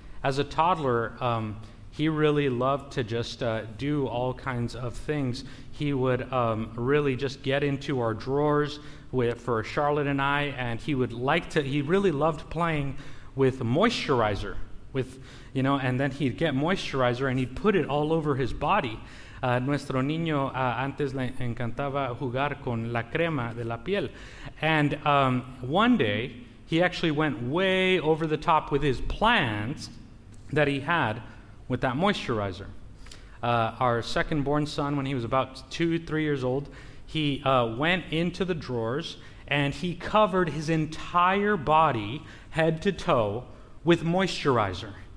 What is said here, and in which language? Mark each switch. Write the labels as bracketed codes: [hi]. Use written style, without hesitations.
[en] As a toddler, he really loved to just do all kinds of things. He would really just get into our drawers for Charlotte and I, and he really loved playing with moisturizer, and then he'd get moisturizer and he'd put it all over his body. [es] Nuestro niño antes le encantaba jugar con la crema de la piel. [en] And one day, he actually went way over the top with his plans that he had with that moisturizer. Our second born son, when he was about 2-3 years old, he went into the drawers and he covered his entire body, head to toe, with moisturizer.